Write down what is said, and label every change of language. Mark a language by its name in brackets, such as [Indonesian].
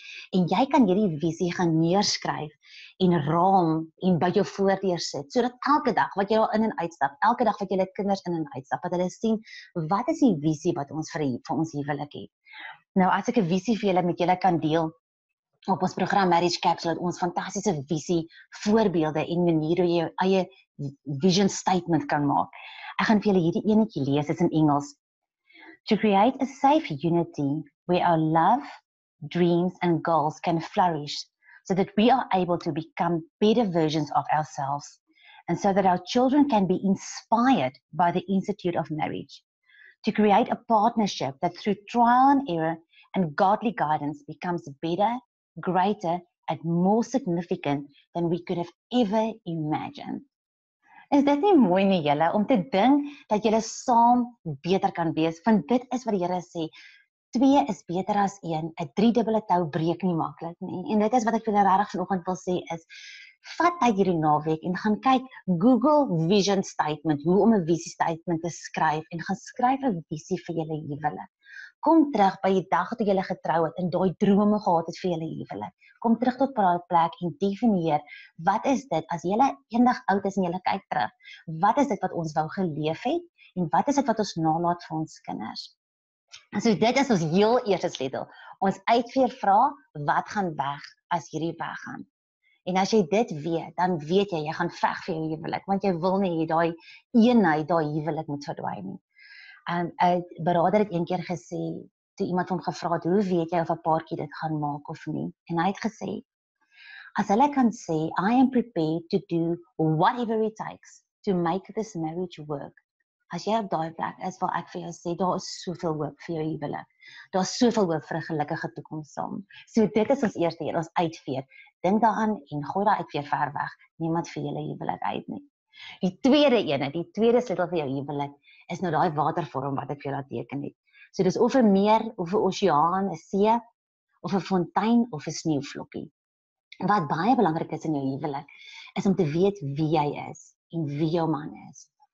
[Afrikaans] En jy kan hierdie visie gaan neerskryf en raam en by jou voordeur sit, sodat elke dag wat jy daar in en uitstap, elke dag wat jy jou kinders in en uitstap, dat hulle sien wat is die visie wat ons vir ons huwelik het. Nou as ek 'n visie vir julle met julle kan deel op ons program Marriage Capsule, het ons fantastiese visie voorbeelde en maniere hoe jy jou eie vision statement kan maak. Ek gaan vir julle hierdie enetjie lees, is in Engels. [English] To create a safe unity where our love, dreams and goals can flourish so that we are able to become better versions of ourselves and so that our children can be inspired by the Institute of Marriage. To create a partnership that through trial and error and godly guidance becomes better, greater and more significant than we could have ever imagined. [Afrikaans] Is dit nie mooi nie julle om te dink dat julle saam beter kan wees? Want dit is wat die Here sê. Twee is beter as een. 'N driedubbele tou breek nie maklik nie. En dit is wat ek vir julle regtig vanoggend wil sê is, vat uit hierdie naweek en gaan kyk Google Vision Statement, hoe om 'n visie statement te skryf en gaan skryf 'n visie vir julle huwelik. Kom terug by die dag toe julle getrou het en daai drome gehad het vir julle huwelik. Kom terug tot daai plek en definieer, wat is dit as julle eendag oud is en julle kyk terug? Wat is dit wat ons wou geleef het en wat is dit wat ons nalaat vir ons kinders? En so dit is ons heel eerste sleutel. Ons uitveer vra, wat gaan weg as hierdie weggaan? En as jy dit weet, dan weet jy gaan veg vir jou huwelik, want jy wil nie daai eenheid, daai huwelik moet verdwyn nie. En 'n berader het een keer gesê, toe iemand hom gevra het, hoe weet jy of 'n paartjie dit gaan maak of nie? En hy het gesê, as hulle kan sê, [English] I am prepared to do whatever it takes to make this marriage work. [Afrikaans] As jy op daai plek is, wil ek vir jou sê, daar is soveel hoop vir jou huwelik. Daar is soveel hoop vir 'n gelukkige toekoms saam. So dit is ons eerste een, ons uitveer. Dink daaraan en gooi daai uitveer ver weg. Niemand vir julle huwelik uit nie. Die tweede ene, die tweede sleutel vir jou huwelik, is nou daai watervorm wat ek vir jou laat teken het. So dis of 'n meer, of 'n oseaan, 'n see, of 'n fontein, of 'n sneeuvlokkie. Wat baie belangrik is in jou huwelik, is om te weet wie jy is en wie jou man is.